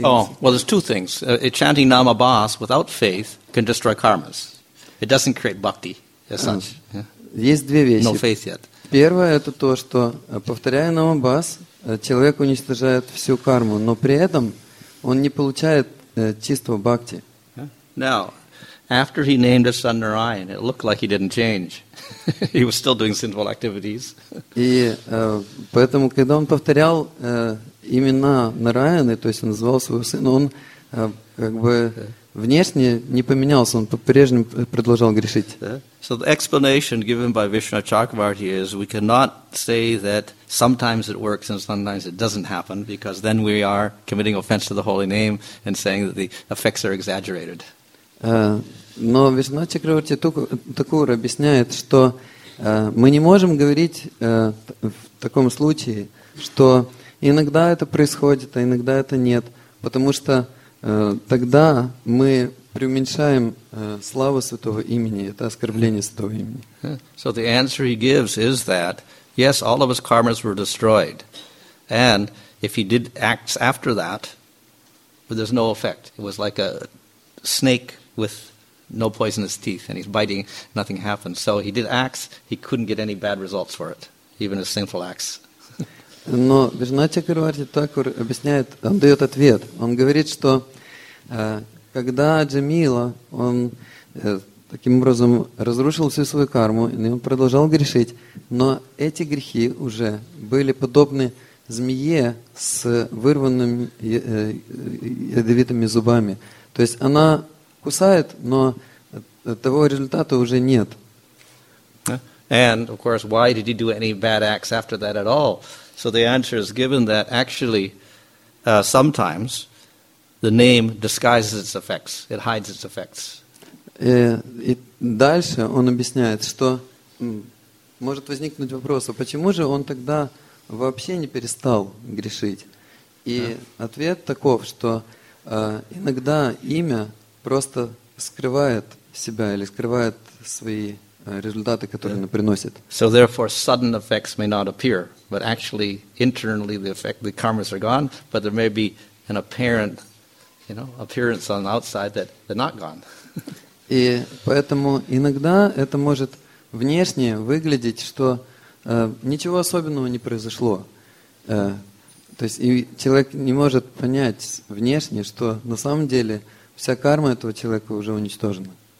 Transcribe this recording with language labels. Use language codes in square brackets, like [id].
[en] Oh, well, there's two things. Chanting Nama Bas without faith can destroy karmas. It doesn't create bhakti, as such. [ru] Есть две вещи. [en] No faith yet. [ru] Первое – это то, что, повторяя намабас, человек уничтожает всю карму, но при этом он не получает чистого бхакти. [en] Now, after he named his son Narayan, it looked like he didn't change. He was still doing sinful activities. [ru] И поэтому, когда он повторял имена Нараяны, то есть он назвал своего сына, он как бы Внешне не поменялся, он по-прежнему продолжал грешить. [en] So the explanation given by Vishnu Chakravarti is we cannot say that sometimes it works and sometimes it doesn't happen, because then we are committing offense to the holy name and saying that the effects are exaggerated. [ru] Но Вишну Чакраварти Такур объясняет, что мы не можем говорить в таком случае, что иногда это происходит, а иногда это нет, потому что тогда мы преуменьшаем славу Святого Имени, это оскорбление Святого Имени. [en] So the answer he gives is that, yes, all of his karmas were destroyed, and if he did acts after that, but there's no effect. It was like a snake with no poisonous teeth, and he's biting, nothing happens. So he did acts, he couldn't get any bad results for it, even his sinful acts. [ru] Но Вишну Чакраварти Такур объясняет, он дает ответ. Он говорит, что когда Джамила, он таким образом разрушил всю свою карму, и он продолжал грешить, но эти грехи уже были подобны змее с вырванными ядовитыми зубами. То есть она кусает, но того результата уже нет. [en] And, of course, why did he do any bad acts after that at all? So the answer is given that actually sometimes the name disguises its effects. It hides its effects. [ru] И дальше он объясняет, что может возникнуть вопрос, а почему же он тогда вообще не перестал грешить? И ответ таков, что иногда имя просто скрывает себя или скрывает свои результаты, которые оно приносит. [en] So therefore sudden effects may not appear. But actually, internally, the effect, the karmas are gone, but there may be an apparent, you know, appearance on the outside that they're not gone. [ru] И поэтому иногда это может внешне выглядеть, что ничего особенного не произошло. То есть и человек не может понять внешне, что на самом деле вся карма этого человека уже уничтожена.